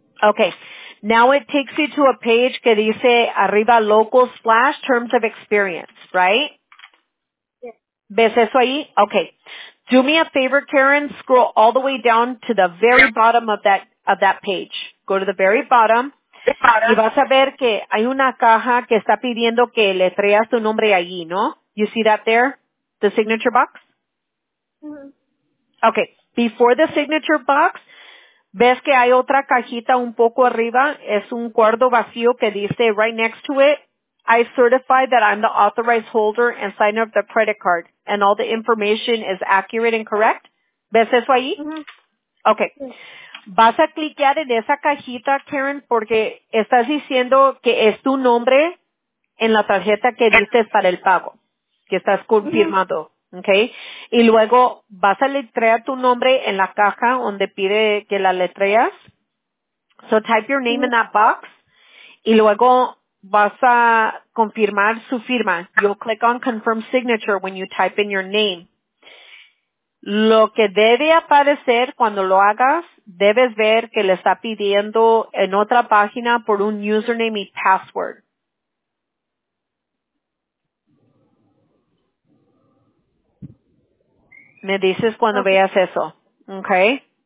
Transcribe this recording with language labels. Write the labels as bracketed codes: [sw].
[en] Okay. Now it takes you to a page [es] que dice, [en] arriba local / terms of experience, right? Yes. [es] ¿Ves eso ahí? Okay. [en] Do me a favor, Karen, scroll all the way down to the very bottom of that page. Go to the very bottom. [es] Y vas a ver que hay una caja que está pidiendo que le traigas tu nombre allí, ¿no? [en] You see that there? The signature box? Mm-hmm. [es] Okay. [en] Before the signature box, [es] ¿ves que hay otra cajita un poco arriba? Es un cuarto vacío que dice [en] right next to it, I certify that I'm the authorized holder and signer of the credit card and all the information is accurate and correct. [es] ¿Ves eso ahí? Mm-hmm. [en] Okay. [es] Vas a cliquear en esa cajita, Karen, porque estás diciendo que es tu nombre en la tarjeta que diste para el pago, que estás confirmado. Mm-hmm. Okay, y luego vas a letrear tu nombre en la caja donde pide que la letreas. [en] So type your name in that box, [es] y luego vas a confirmar su firma. [en] You'll click on confirm signature when you type in your name. [es] Lo que debe aparecer cuando lo hagas, debes ver que le está pidiendo en otra página por un username y password. Me dices cuando okay. veas eso. Okay.